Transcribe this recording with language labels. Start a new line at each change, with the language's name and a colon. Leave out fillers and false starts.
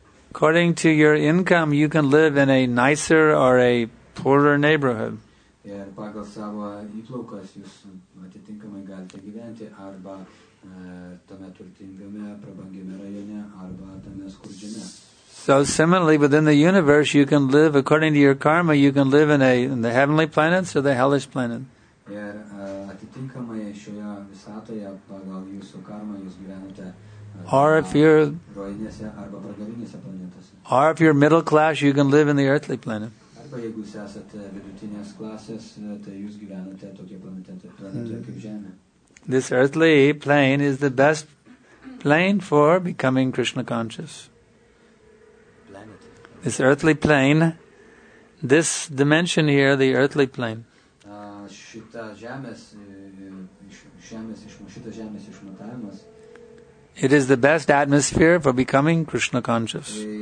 English: According to your income, you can live in a nicer or a poorer neighborhood.
Lithuanian: Ir pagal savo įplaukas jūs atitinkamai galite gyventi arba tame turtingame, prabangiame rajone, arba tame skurdžiame.
English: So similarly, within the universe, you can live, according to your karma, you can live in the heavenly planets or the hellish planet.
Lithuanian: Ir atitinkamai šioje visatoje, pagal jūsų karma, jūs gyvenate rojinėse arba pragarinėse planetose.
English: Or if you're middle class, you can live in the earthly planet.
Lithuanian: Jeigu jūs esate vidutinės klasės, tai jūs gyvenate tokie planetoje kaip Žemė.
English: This earthly plane is the best plane for becoming Krishna conscious. Planet. This earthly plane, this dimension here, the earthly plane.
Lithuanian: Šitas žemės išmatavimas.
English: It is the best atmosphere for becoming Krishna conscious.